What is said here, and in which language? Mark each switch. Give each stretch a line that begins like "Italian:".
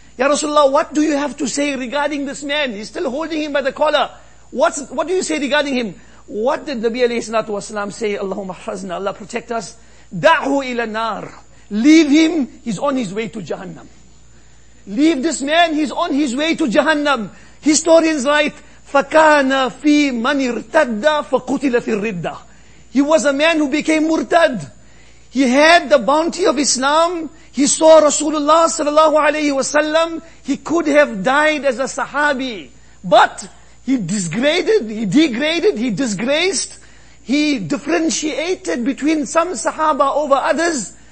English: Ya Rasulullah, what do you have to say regarding this man? He's still holding him by the collar. What do you say regarding him? What did Nabi alayhi salatu wasalam say?
Arabic: Allahumma hafazna,
English: Allah protect us.
Arabic: Da'hu ila nar.
English: Leave him, he's on his way to Jahannam. Leave this man, he's on his way to Jahannam. Historians write,
Arabic: فَكَانَ فِي مَنِ ارْتَدَّ فَقُتِلَ فِي الرِّدَّةِ.
English: He was a man who became murtad. He had the bounty of Islam. He saw Rasulullah sallallahu alayhi wasallam. He could have died as a sahabi. But he disgraced, he degraded, he disgraced, he differentiated between some sahaba over others.